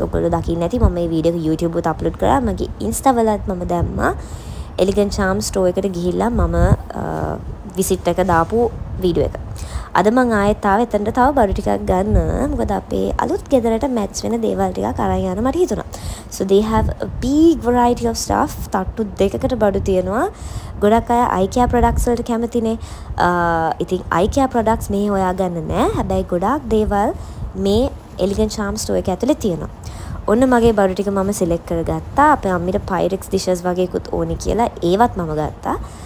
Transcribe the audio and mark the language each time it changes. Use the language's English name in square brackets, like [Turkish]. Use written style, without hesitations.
[Sinhala] ඔයගොල්ලෝ දකින්න ඇති මම මේ වීඩියෝ එක YouTube උත් අප්ලෝඩ් කරා. මගේ ඉන්ස්ටාවලත් මම දැම්මා. එලිගන්ට් ට්‍රාම්ස් ස්ටෝ එකට ගිහිල්ලා මම විසිට් එක දාපු වීඩියෝ එක. අද මං ආයෙත් ආව එතනට තව බඩු ටිකක් ගන්න. මොකද අපේ අලුත් ගෙදරට මැච් වෙන දේවල් ටිකක් අරන් යන්න මට හිතුණා. [English] So they have a big variety of stuff. [Sinhala] තට්ටු දෙකකට බඩු තියෙනවා. ගොඩක් අය IKEA products වලට කැමතිනේ. ඉතින් IKEA products මේ හොයාගන්න නෑ. හැබැයි ගොඩක් දේවල් මේ එලිගන් චාම් ස්ටෝර් එක ඇතුලේ තියෙනවා. ඔන්න මගේ බඩු ටික මම සිලෙක්ට් කරගත්තා. අපේ අම්මිට පයිරෙක්ස් ඩිෂස් වගේකුත් ඕනේ කියලා ඒවත් මම ගත්තා.